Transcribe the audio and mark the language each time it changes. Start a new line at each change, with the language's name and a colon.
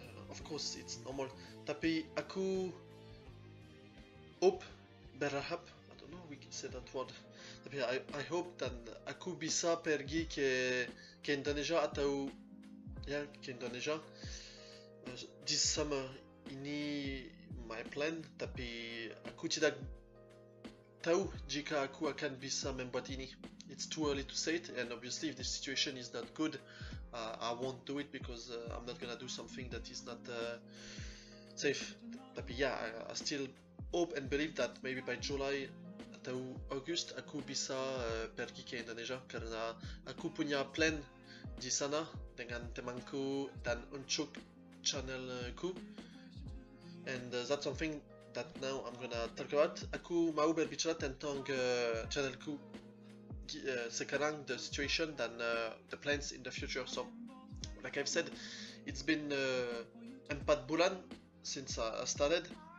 English: Of course it's normal,
Indonesian: tapi aku
English: hope berharap, I don't know we can say that word, tapi I hope
Indonesian: dan aku bisa pergi ke Indonesia
English: atau ya ke Indonesia this summer.
Indonesian: Ini
English: my plan,
Indonesian: tapi aku tidak tahu jika aku akan bisa membuat ini.
English: It's too early to say it, and obviously if the situation is not good, I won't do it because I'm not gonna do something that is not safe. But yeah, I still hope and believe that maybe by July to August
Indonesian: aku bisa pergi ke Indonesia karena aku punya plan di sana dengan temanku dan untuk channelku,
English: and that's something that now I'm gonna talk about.
Indonesian: Aku mau berbicara tentang channelku.
English: Sekarang the situation and the plans in the future. So like I've said, it's been 4 bulan since I started.